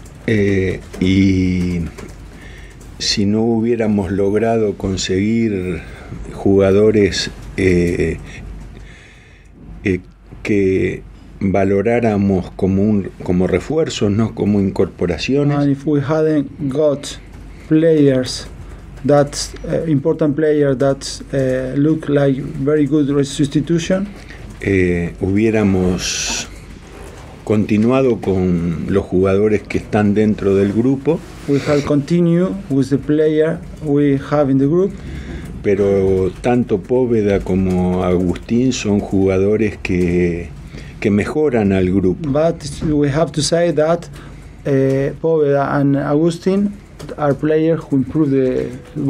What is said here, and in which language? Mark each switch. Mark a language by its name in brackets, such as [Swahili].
[Spanish] Y si no hubiéramos logrado conseguir jugadores que valoráramos como refuerzos, no como incorporaciones. [English] And if we hadn't got players that important players that look like very good substitution, [Spanish] hubiéramos continuado con los jugadores que están dentro del grupo. [English] We have continued with the player we have in the group. [Spanish] Pero tanto Póveda como Agustín son jugadores que mejoran al grupo. [English] But we have to say that Póveda and Agustín are players who improve the group.